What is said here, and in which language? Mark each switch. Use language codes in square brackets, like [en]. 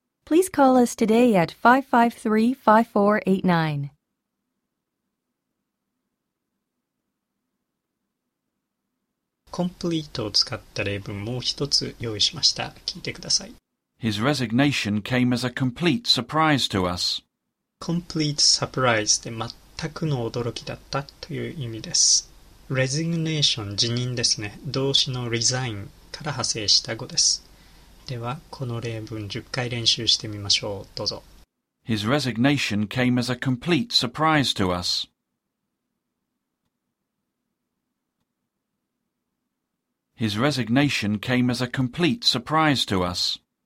[en] Please call us today at 553-5489. [ja] Complete を使った例文もう一つ用意しました。聞いてください。 [en] His resignation came as a complete surprise to us. Complete surprise [ja] で全くの驚きだったという意味です。 Resignation 辞任ですね。動詞の resign から派生した語です。ではこの例文10回練習してみましょう。どうぞ。 [en] His resignation came as a complete surprise to us. His resignation came as a complete surprise to us.